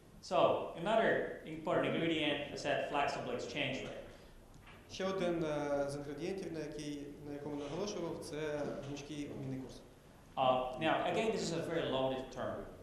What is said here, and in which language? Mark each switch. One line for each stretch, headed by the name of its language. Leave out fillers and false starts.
English: So, another important ingredient is that flexible exchange rate.
Ukrainian: Ще один з інгредієнтів, на якому наголошував, це гнучкий обмінний курс.
English: Now, again, this is a very loaded term.